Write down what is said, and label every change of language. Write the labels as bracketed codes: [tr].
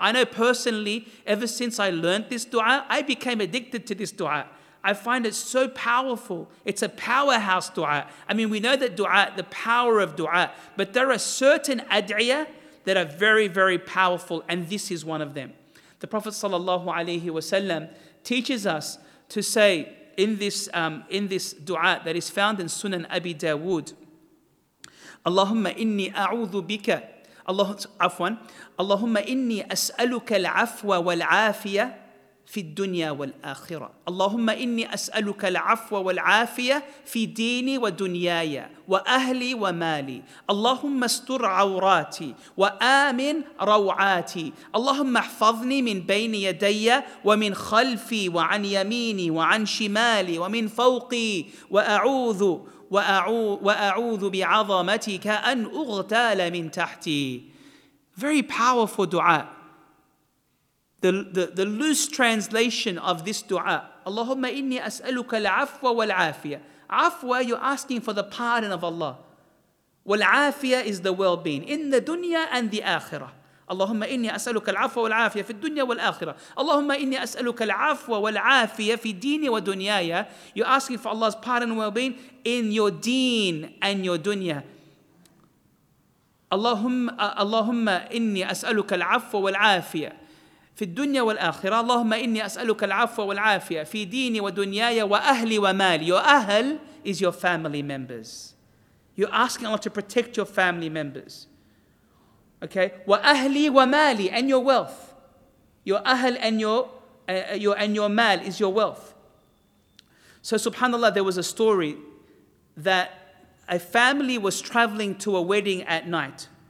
[en] I know personally, ever since I learned this dua, I became addicted to this dua. I find it so powerful. It's a powerhouse dua. I mean, we know that dua, the power of dua, but there are certain ad'iyah that are very, very powerful, and this is one of them. The Prophet sallallahu alayhi wasallam teaches us to say in this dua that is found in Sunan Abi Dawood, [ar] اللهم إني أعوذ بك الله عفوا اللهم إني أسألك العفو والعافية في الدنيا والآخرة اللهم إني أسألك العفو والعافية في ديني ودنياي وأهلي ومالي اللهم استر عوراتي وآمن روعاتي اللهم احفظني من بين يدي ومن خلفي وعن يميني وعن شمالي ومن فوقي وأعوذ بعظمتك أن أغتال من تحتي. [en] Very powerful dua. The loose translation of this dua. [ar] اللهم إني أسألك العفو والعافية. [en] عفو, you're asking for the pardon of Allah. والعافية is the well-being. In the dunya and the akhirah. [ar] اللهم إني أسألك العفو والعافية في الدنيا والآخرة. اللهم إني أسألك العفو والعافية في ديني ودنياي. [en] You're asking for Allah's pardon and well-being in your deen and your dunya. [ar] اللهم إني أسألك العفو والعافية في الدنيا والآخرة. اللهم إني أسألك العفو والعافية في ديني ودنياي وأهلي ومالي. [en] Your أهل is your family members. You're asking Allah to protect your family members. Okay, wa ahli wa mali, and your wealth, your ahl and your mal is your wealth. So subhanAllah, there was a story that a family was traveling to a wedding at night.